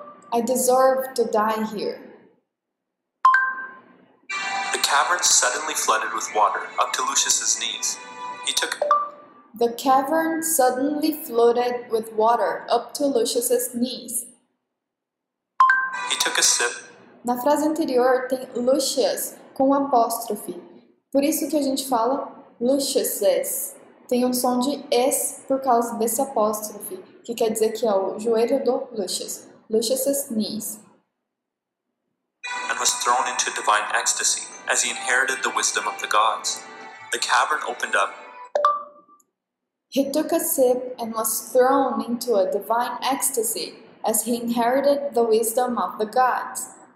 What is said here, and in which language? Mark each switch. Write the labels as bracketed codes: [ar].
[en] I deserve to die here. The cavern suddenly flooded with water up to Lucius's knees. He took. The cavern suddenly flooded with water up to Lucius's knees. He took a sip. [pt] Na frase anterior tem Lucius com apóstrofe. Por isso que a gente fala Lucius's. Tem som de es por causa desse apóstrofe, que quer dizer que é o joelho do Lucius. [en] Lucius's knees. And was thrown into divine ecstasy as he inherited the wisdom of the gods. The cavern opened up. He took a sip and was thrown into a divine ecstasy as he inherited the wisdom of the gods.